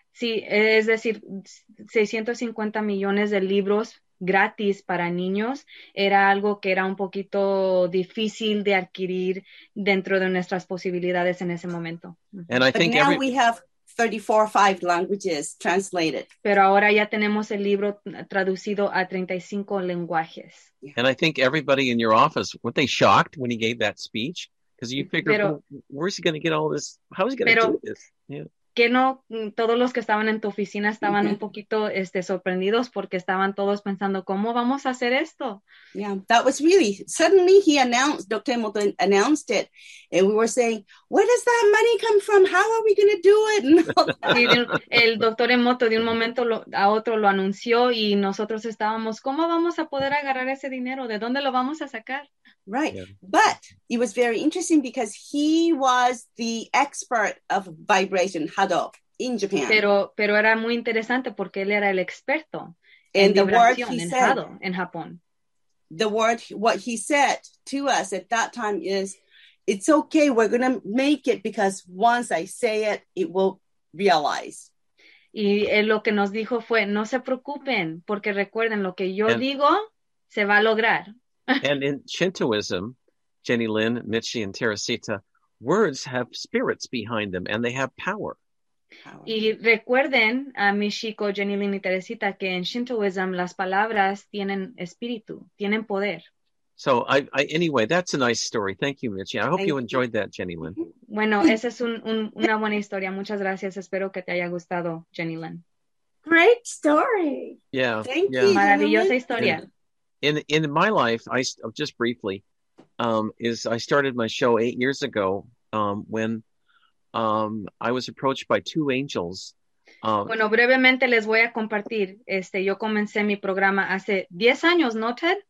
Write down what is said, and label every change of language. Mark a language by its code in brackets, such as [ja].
[es] Sí, es decir, 650 millones de libros gratis para niños era algo que era un poquito difícil de adquirir dentro de nuestras posibilidades en ese momento. [en] And I think but now we have 34 or 5 languages translated. [es] Pero ahora ya tenemos el libro traducido a 35 lenguajes. [en] And I think everybody in your office, weren't they shocked when he gave that speech? Because you figure, where's he going to get all this? How is he going to do this? Yeah. [es] Que no todos los que estaban en tu oficina estaban un poquito sorprendidos porque estaban todos pensando cómo vamos a hacer esto. [en] Yeah, that was really suddenly he announced, Dr. Hamilton announced it, and we were saying, where does that money come from? How are we going to do it? [es] El Dr. Emoto de un momento a otro lo anunció y nosotros estábamos, ¿cómo vamos a poder agarrar ese dinero? ¿De dónde lo vamos a sacar? [en] Right, yeah. But it was very interesting because he was the expert of vibration hado in Japan. [es] Pero era muy interesante porque él era el experto en vibración en [en] said, [es] hado en Japón. [en] The word, what he said to us at that time is, it's okay, we're going to make it because once I say it, it will realize. [es] Y lo que nos dijo fue, no se preocupen porque recuerden lo que yo digo, se va a lograr. [en] And in Shintoism, Jenny Lin, Michi, and Teresita, words have spirits behind them, and they have power. [es] Y recuerden a Michiko, Jenny Lin, y Teresita que en Shintoism las palabras tienen espíritu, tienen poder. [en] So, anyway, that's a nice story. Thank you, Michi. I hope you enjoyed that, Jenny Lin. [es] Bueno, esa es una buena historia. Muchas gracias. Espero que te haya gustado, Jenny Lin. [en] Great story. Yeah. Thank you. [es] Maravillosa historia. [en] In my life, I just briefly I started my show 8 years ago when I was approached by two angels. [es] Bueno, brevemente les voy a compartir. Yo comencé mi programa hace 10 años, ¿no, Ted?